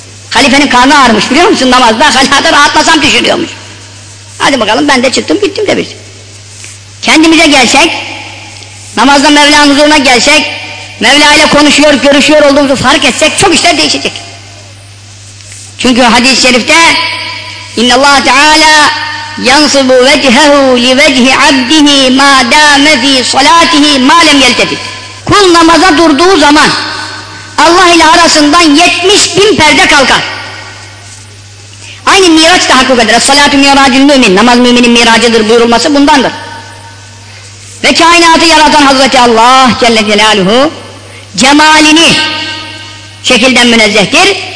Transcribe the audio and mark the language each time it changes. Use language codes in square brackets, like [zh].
[tr] Halifenin karnı ağrımış biliyor musun namazda, halada rahatlasam düşürüyormuş. Hadi bakalım ben de çıktım gittim demiş. Kendimize gelsek, namazda Mevla'nın huzuruna gelsek, Mevla ile konuşuyor, görüşüyor olduğumuzu fark etsek çok işler değişecek. Çünkü hadis-i şerifte, [ar] اِنَّ اللّٰهَ تَعَالَى يَنْصِبُ وَجْهَهُ لِوَجْهِ عَبْدِهِ مَا دَامَ ف۪ي صَلَاتِهِ مَا لَمْ يَلْتَفِتْ. [tr] Kul namaza durduğu zaman Allah ile arasından 70.000 perde kalkar. Aynı miraç da hakkı kadar. [ar] Salatü miracül mümin. [tr] Namaz müminin miracıdır buyurulması bundandır. Ve kainatı yaratan Hazreti Allah Celle Celaluhu cemalini şekilden münezzehtir.